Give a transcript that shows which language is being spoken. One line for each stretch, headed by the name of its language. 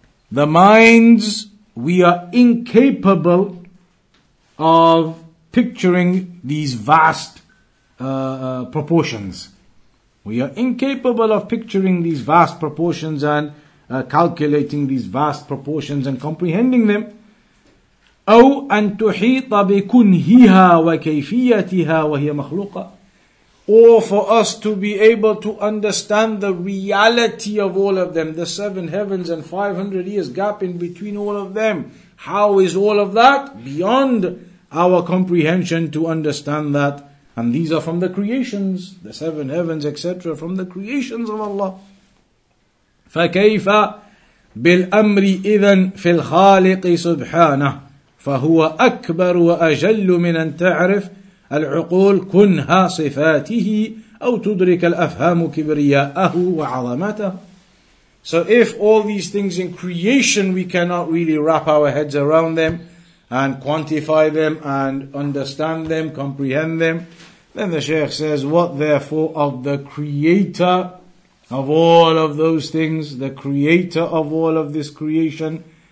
English: The minds, we are incapable of picturing these vast proportions. We are incapable of picturing these vast proportions and calculating these vast proportions and comprehending them.
Arabic: أو أن تحيط بكنهها وكيفيتها وهي مخلوقة.
English: Or for us to be able to understand the reality of all of them, the seven heavens and 500 years gap in between all of them. How is all of that beyond our comprehension to understand that? And these are from the creations, the seven heavens, etc., from the creations of Allah.
Arabic: فكيف بالأمر إذن في الخالق سبحانه فهو أكبر وأجل من أن تعرف العقول كنها صفاته أو تدرك الأفهام كبرياءه وعظمته.
English: So if all these things in creation we cannot really wrap our heads around them and quantify them and understand them, comprehend them, then the Shaykh says, what therefore of the creator of all of those things, the creator of all of this creation,